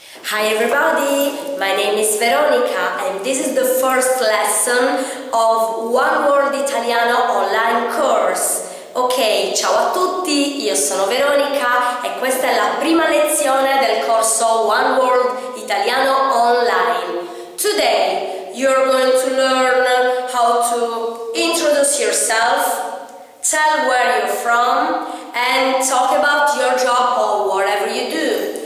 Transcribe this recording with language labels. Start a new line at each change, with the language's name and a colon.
English: Hi everybody, my name is Veronica and this is the first lesson of One World Italiano online course.
Italian: Ok, ciao a tutti, io sono Veronica e questa è la prima lezione del corso One World Italiano online.
English: Today you're going to learn how to introduce yourself, tell where you're from and talk about your job or whatever you do.